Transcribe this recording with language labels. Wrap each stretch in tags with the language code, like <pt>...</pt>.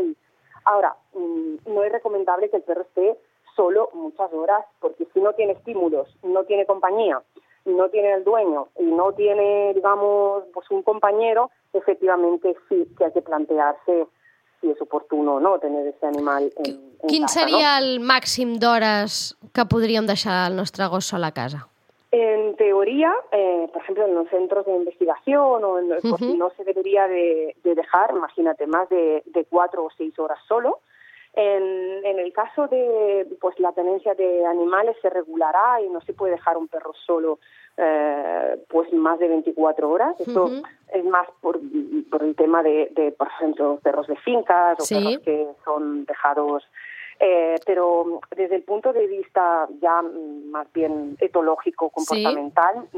<es>Y ahora, no es recomendable que el perro esté solo muchas horas, porque si no tiene estímulos, no tiene compañía, no tiene el dueño y no tiene, digamos, pues un compañero, efectivamente sí que hay que plantearse si es oportuno o no tener ese animal en casa.</es> <ca>¿Quin seria el màxim d'hores que podríem deixar el nostre gos sol a casa? En teoria, per exemple, en els centres d'investigació,</ca> <es>no se debería de dejar, imagínate, más de 4 o 6 horas solo. En el caso de pues la tenencia de animales se regulará y no se puede dejar un perro solo pues más de 24 horas. Esto uh-huh. es más por el tema de por ejemplo perros de fincas o sí. perros que son dejados pero desde el punto de vista ya más bien etológico comportamental sí.</es>